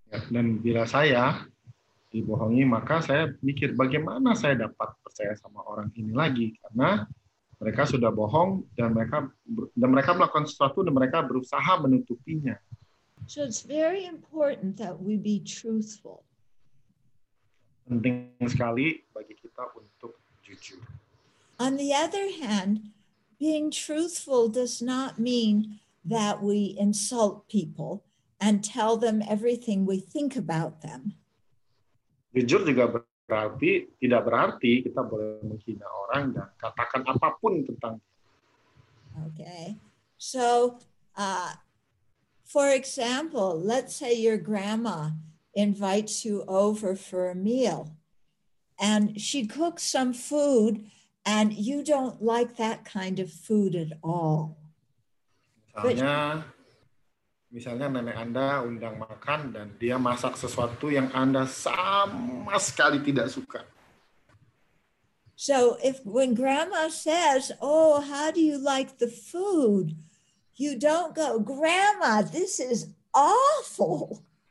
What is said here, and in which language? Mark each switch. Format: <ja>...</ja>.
<id>Dan bila saya dibohongi, maka saya mikir bagaimana saya dapat percaya sama orang ini lagi, karena mereka sudah bohong dan mereka melakukan sesuatu dan mereka berusaha menutupinya.</id> <en>So it's very important that we be truthful.</en> <id>Penting sekali bagi kita untuk jujur.</id> <en>On the other hand, being truthful does not mean that we insult people and tell them everything we think about them.</en> <id>Jujur juga berarti tidak berarti kita boleh menghina orang dan katakan apapun tentang.</id> <en>Okay. So, for example, let's say your grandma invites you over for a meal and she cooks some food and you don't like that kind of food at all.</en> <id>Misalnya nenek Anda undang makan dan dia masak sesuatu yang Anda sama sekali tidak suka.</id> <en>So if when grandma says, "Oh, how do you like the food?" you don't go, "Grandma, this is awful."</en>